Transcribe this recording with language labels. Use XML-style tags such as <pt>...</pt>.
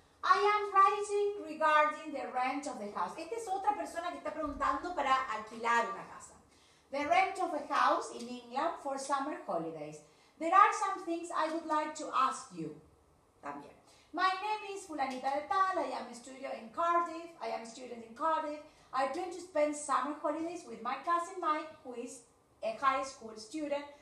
<en>I am writing regarding the rent of the house.</en> <es>Esta es otra persona que está preguntando para alquilar una casa.</es> <en>The rent of a house in England for summer holidays. There are some things I would like to ask you. También. My name is Fulanita de Tal. I am a student in Cardiff. I am a student in Cardiff. I plan to spend summer holidays with my cousin Mike, who is a high school student.</en>